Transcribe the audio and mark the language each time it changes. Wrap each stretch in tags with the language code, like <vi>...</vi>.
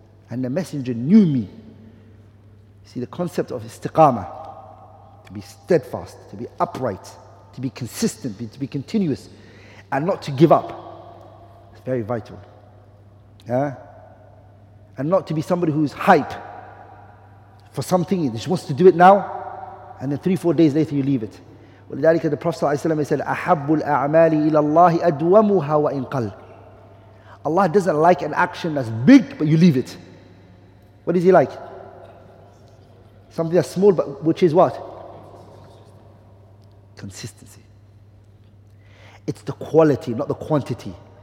<en>And the Messenger knew me. See, the concept of istiqamah, to be steadfast, to be upright, to be consistent, to be continuous, and not to give up. It's very vital. Yeah? And not to be somebody who is hype for something, he just wants to do it now, and then 3-4 days later you leave it.</en> <ar>ولذلك</ar> <en>the Prophet ﷺ said,</en> <ar>أحب الأعمال إلى الله أدومها وإن قل.</ar> <en>Allah doesn't like an action that's big, but you leave it. What does He like? Something that's small, but which is what? Consistency. It's the quality, not the quantity.</en>